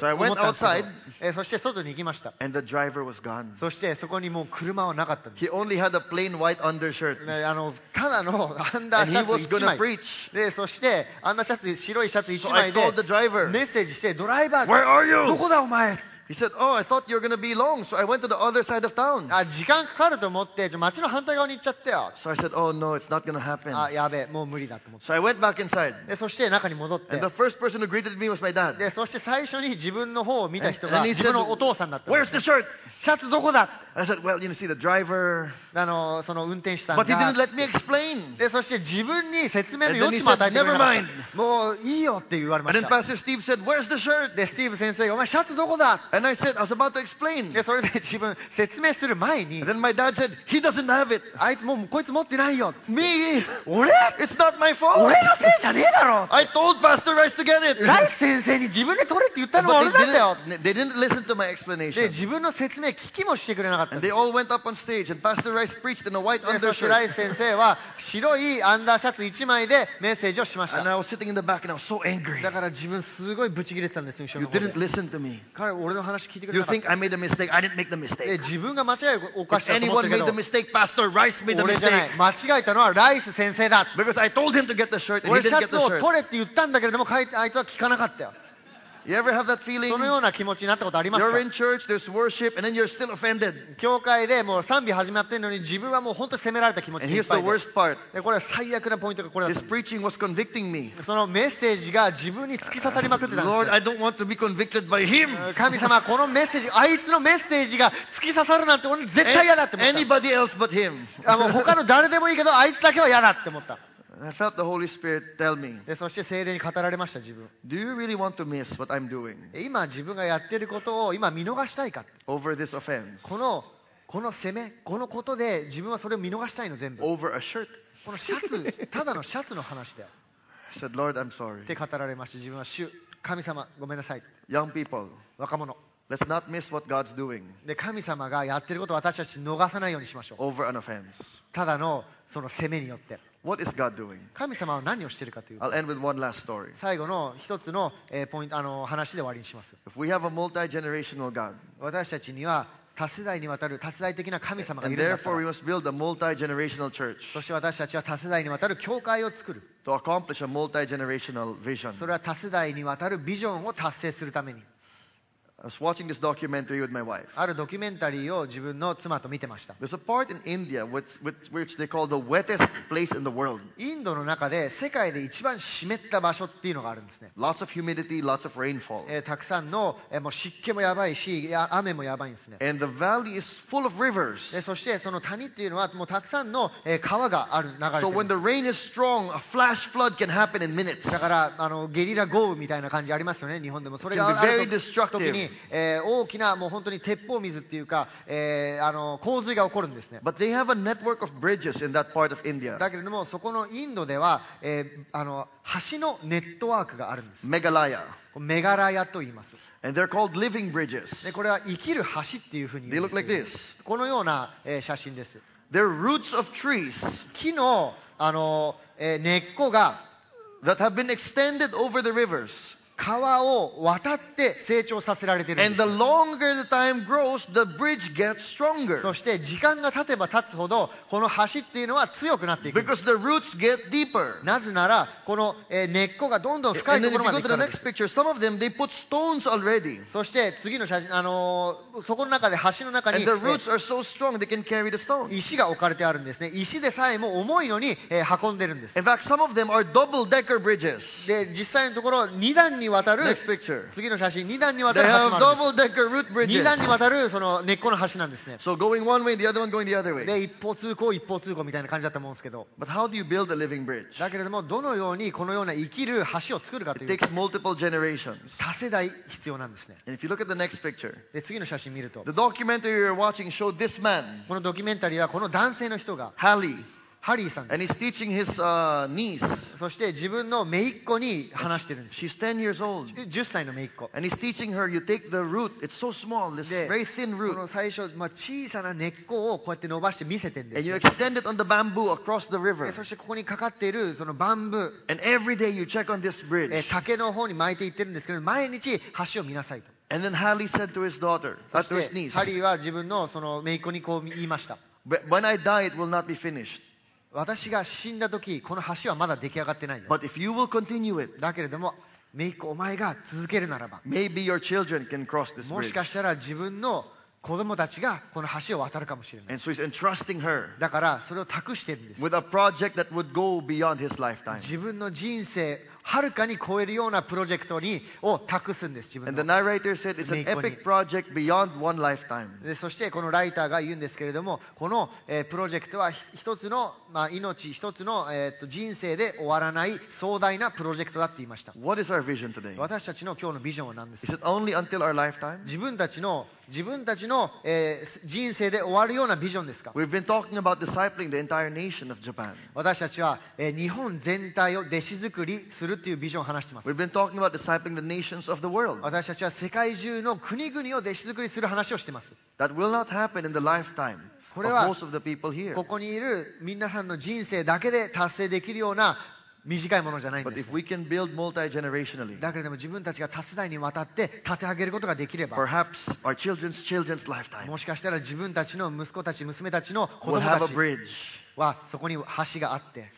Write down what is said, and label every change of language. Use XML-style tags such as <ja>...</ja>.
<en>So I went outside.</en> <ja>そして外に行きました。</ja> <en>And the driver was gone.</en> <ja>そしてそこにもう車はなかったんです。</ja> <en>He only had a plain white undershirt.</en> <ja>ただのアンダーシャツ1枚。でそしてあんなシャツ白いシャツ1枚で、</ja> <en>so、I the driver.</en> <ja>メッセージしてドライバー</ja> <en>Where are you?</en> <ja>どこだお前</ja> <en>He said, oh, I thought you were going to be long, so I went to the other side of town.</en> <ja>時間かかると思って、じゃ街の反対側に行っちゃったよ。</ja> <en>So I said, oh, no, it's not going to happen.</en> <ja>あ、やべえ、もう無理だと思って。</ja> <en>So I went back inside.</en> <ja>そして中に戻って。</ja> <en>And the first person who greeted me was my dad.</en> <ja>で、そして最初に自分の方を見た人が、自分のお父さんだった。</ja> <en>Where's the shirt?</en> <ja>シャツどこだ</ja> <en>I said, well, you know, see the driver.</en> <ja>その運転手さんが。</ja> <en>But he didn't let me explain.</en> <ja>で、そして自分に説明の余地も与えてくれなかった。</ja> <en>Never mind.</en> <ja>もういいよって言われました。</ja> <en>And then Pastor Steve said, where's the shirt?</en> <ja>で、スティーブ先生が、お前シャツどこだ</ja> <en>And I said, I was about to explain.</en> <ja>で、それで自分説明する前に。</ja> <en>Then my dad said, he doesn't have it.</en> <ja>あいつもうこいつ持ってないよ。</ja> <en>Me?</en> <ja>俺</ja> <en>It's not my fault.</en> <ja>俺のせいじゃねえだろ。</ja> <en>I told Pastor Rice to get it.</en> <ja>ライス先生に自分で取れって言ったのは俺なんだよ。</ja> <en>They didn't listen to my explanation.</en> <ja>で、自分の説明聞きもしてくれなかった。</ja> <en>And they all went up on stage and Pastor Rice preached in a white undershirt.</en> <ja>ライス先生は白いアンダーシャツ1枚でメッセージをしました。</ja> <en>And I was sitting in the back and I was so angry.</en> <ja>だから自分すごいブチ切れてたんですよ、</ja> <en>You didn't listen to me.</en> <ja>俺の話聞いてくれなかった。</ja> <en>You think I made a mistake? I didn't make the mistake.</en> <ja>自分が間違いを犯したと思ったけど。</ja> <en>If anyone made the mistake, Pastor Rice made the mistake.</en> <ja>俺じゃない。間違えたのはライス先生だ。</ja> <en>Because I told him to get the shirt and he didn't get the shirt.</en> <ja>俺シャツを取れって言ったんだけれども、あいつは聞かなかったよ。</ja> <en>You ever have that feeling?</en> <ja>そのような気持ちになったことありますか?</ja> <en>You're in church, there's worship, and then you're still offended.</en> <ja>教会でもう賛美始まってんのに自分はもう本当に責められた気持ちいっぱいで。</ja> <en>And here's the worst part.</en> <ja>で、これは最悪なポイントがこれだった。</ja> <en>This preaching was convicting me.</en> <ja>そのメッセージが自分に突き刺さりまくってたんです。</ja> <en>Lord, I don't want to be convicted by him.</en> <ja>神様、このメッセージ、あいつのメッセージが突き刺さるなんて俺絶対嫌だって思った。</ja> <en>Anybody else but him.</en> <ja>もう他の誰でもいいけど、あいつだけは嫌だって思った。</ja> <en>I felt the Holy Spirit tell me.</en> <ja>でそして聖霊に語られました自分。</ja> <en>Do you really want to miss what I'm doing?</en> <ja>今自分がやってることを今見逃したいか。</ja> <en>Over this offense.</en> <ja>この責め、このことで自分はそれを見逃したいの全部。</ja> <en>Over a shirt.</en> <ja>このシャツ、ただのシャツの話だよ。</ja> <en>I said, Lord, I'm sorry.</en> <ja>って語られました自分は主、神様、ごめんなさい。</ja> <en>Young people.</en> <ja>若者。</ja> <en>Let's not miss what God's doing.</en> <ja>で神様がやってることを私たち逃さないようにしましょう。</ja> <en>Over an offense.</en> <ja>ただのその責めによって。</ja> <en>What is God doing?</en> <ja>神様は何をしているかという。</ja> <en>I'll end with one last story.</en> <ja>最後の一つのポイント、話で終わりにします。</ja> <en>If we have a multi-generational God,</en> <ja>私たちには多世代にわたる多世代的な神様がいるんだ。</ja> <en>And therefore we must build a multi-generational church.</en> <ja>そして私たちは多世代にわたる教会を作る。</ja> <en>To accomplish a multi-generational vision.</en> <ja>それは多世代にわたるビジョンを達成するために。</ja> <en>I was watching this documentary with my wife.</en> <ja>あるドキュメンタリーを自分の妻と見てました。</ja> <en>There's a part in India which they call the wettest place in the world.</en> <ja>インドの中で世界で一番湿った場所っていうのがあるんですね。</ja> <en>Lots of humidity, lots of rainfall.</en> <ja>たくさんの、もう湿気もやばいし、雨もやばいんですね。</ja> <en>And the valley is full of rivers.</en> <ja>そしてその谷っていうのはもうたくさんの、川がある流れてる。</ja> <en>So when the rain is strong, a flash flood can happen in minutes.</en> <ja>だからゲリラ豪雨みたいな感じありますよね、日本でも。それがある</ja> <en>very destructive.</en> <ja>大きなもう本当に鉄砲水っていうか、洪水が起こるんですね。</ja> <en>But they have a network of bridges in that part of India.</en> <ja>だけれどもそこのインドでは、橋のネットワークがあるんです。</ja> <en>Meghalaya.</en> <ja>メガラヤと言います。</ja> <en>And they're called living bridges.</en> <ja>でこれは生きる橋っていうふうに言うんです。</ja> <en>They look like this.</en> <ja>このような、写真です。</ja> <en>They're roots of trees.</en> <ja>木の、根っこが</ja> <en>that have been extended over the rivers.</en> <ja>川を渡って成長させられているんです。</ja> <en>And the longer the time grows, the bridge gets stronger.</en> <ja>そして時間が経てば経つほどこの橋っていうのは強くなっていく。</ja> <en>Because the roots get deeper.</en> <ja>なぜならこの根っこがどんどん深いところまで行くから。</ja> <en>And then if you go to the next picture, some of them they put stones already.</en> <ja>そして次の写真そこの中で橋の中に。</ja> <en>And the roots are so strong they can carry the stones.</en> <ja>石が置かれてあるんですね。石でさえも重いのに運んでるんです。</ja> <en>In fact, some of them are double-decker bridges.</en> <ja>で実際のところ2段に。</ja> <en>Next picture.</en> <ja>次の写真、2段にわたる橋もある。</ja> <en>They have double-decker root bridges.</en> <ja>2段にわたるその根っこの橋なんですね。</ja> <en>So going one way, the other one going the other way.</en> <ja>で、一方通行、一方通行みたいな感じだったもんですけど。</ja> <en>But how do you build a living bridge?</en> <ja>だけれども、どのようにこのような生きる橋を作るかという。</ja> <en>It takes multiple generations.</en> <ja>多世代必要なんですね。</ja> <en>And if you look at the next picture.</en> <ja>で、次の写真見ると。</ja> <en>The documentary you're watching showed this man.</en> <ja>このドキュメンタリーはこの男性の人が。</ja> <en>Hallie.</en> <ja>ハリーさん</ja> <en>And he's teaching his, niece.</en> <ja>そして自分の姪っ子に話してるんです。</ja> <en>She's 10 years old.</en> <ja>10歳の姪っ子。</ja> <en>And he's teaching her, you take the root. It's so small, this very thin root.</en> <ja>この最初、まあ、小さな根っこをこうやって伸ばして見せてるんです。</ja> <en>And you extend it on the bamboo across the river.</en> <ja>そしてここにかかっているそのバンブー。</ja> <en>And every day you check on this bridge.</en> <ja>竹の方に巻いていってるんですけど、毎日橋を見なさいと。</ja> <en>And then Hallie said to his daughter, to his niece.</en> <ja>ハリーは自分のその姪っ子にこう言いました。</ja> <en>But when I die, it will not be finished.</en> <ja>私が死んだ時この橋はまだ出来上がってないよ</ja> <en>But if you will continue it,</en> <ja>だけれどもめいっ子お前が続けるならば</ja> <en>maybe your children can cross this bridge.</en> <ja>もしかしたら自分の子供たちがこの橋を渡るかもしれない</ja> <en>And so he's entrusting her</en> <ja>だからそれを託してるんです</ja> <en>with a project that would go beyond his lifetime.</en> <ja>自分の人生はるかに超えるようなプロジェクトにを託すんです自分の</ja> <en>And the narrator said it's an epic project beyond one lifetime.</en> <ja>でそしてこのライターが言うんですけれどもこの、プロジェクトは一つの、まあ、命一つの、人生で終わらない壮大なプロジェクトだって言いました</ja> <en>What is our vision today?</en> <ja>私たちの今日のビジョンは何ですか</ja> <en>Is it only until our lifetime?</en> <ja>自分たちの、人生で終わるようなビジョンですか</ja> <en>We've been talking about discipling the entire nation of Japan.</en> <ja>私たちは、日本全体を弟子作りするっていうビジョンを話してます。</ja> <en>We've been talking about discipling the nations of the world.</en> <ja>私たちは世界中の国々を弟子作りする話をしてます。</ja> <en>That will not happen in the lifetime of most of the people here.</en> <ja>ここにいる皆さんの人生だけで達成できるような短いものじゃないんです。</ja> <en>But if we can build multi-generationally,</en> <ja>だけれども自分たちが多世代にわたって立て上げることができれば、</ja> <en>perhaps our children's children's lifetime,</en> <ja>もしかしたら自分たちの息子たち娘たちの子供たちはそこに橋があって、</ja>